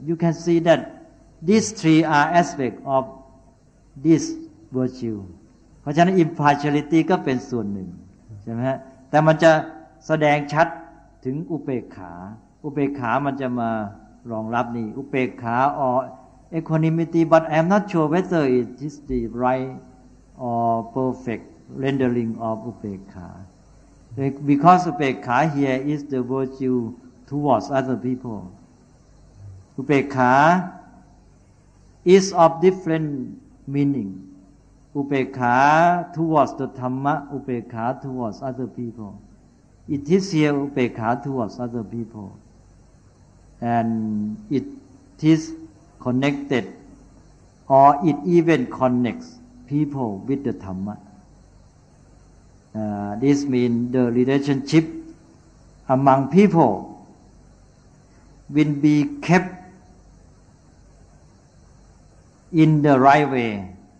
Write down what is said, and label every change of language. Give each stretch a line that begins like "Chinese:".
English: You can see that these three are aspects of this virtue.
Thai: เพราะฉะนั้น impartiality ก็เป็นส่วนหนึ่งใช่ไหมฮะแต่มันจะแสดงชัดถึงอุเบกขาอุเบกขามันจะมารองรับนี่อุเบกขา
English: or equanimity but I'm not sure whether it is the right or perfect rendering of อุเบกขา because อุเบกขา here is the virtue towards other people อุเบกขา is of different meaningUpekha towards the Dhamma, Upekha towards other people. It is here Upekha towards other people. And it is connected, or it even connects people with the Dhamma. This means the relationship among people will be kept in the right way.